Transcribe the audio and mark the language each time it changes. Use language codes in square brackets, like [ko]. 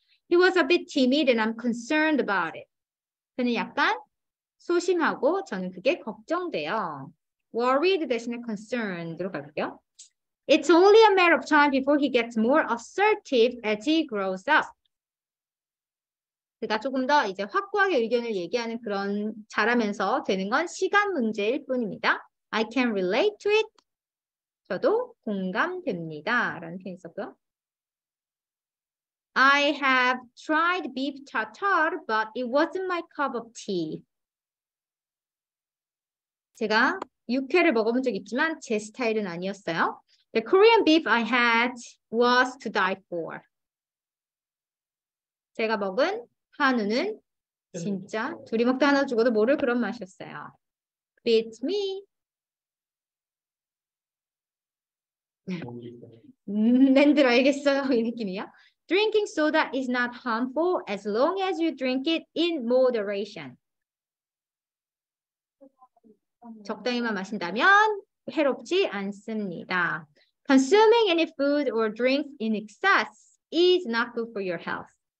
[en] He was a bit timid and I'm concerned about it. [ko] 그는 약간 소심하고 저는 그게 걱정돼요. Worried 대신에 concerned로 갈게요. [en] It's only a matter of time before he gets more assertive as he grows up. [ko] 그가 조금 더 이제 확고하게 의견을 얘기하는 그런 자라면서 되는 건 시간 문제일 뿐입니다. [en] I can relate to it. [ko] 저도 공감됩니다. 라는 표현이 있었고요. [en] I have tried beef tartare, but it wasn't my cup of tea. [ko] 제가 육회를 먹어본 적 있지만 제 스타일은 아니었어요. [en] The Korean beef I had was to die for. [ko] 제가 먹은 한우는 진짜 둘이 먹다 하나 죽어도 모를 그런 맛이었어요. [en] Beat me. [ko] 랜드로 알겠어요. 이 느낌이요. [en] Drinking soda is not harmful as long as you drink it in moderation. [ko] 적당히만 마신다면 해롭지 않습니다. [en] Consuming any food or drink in excess is not good for your health.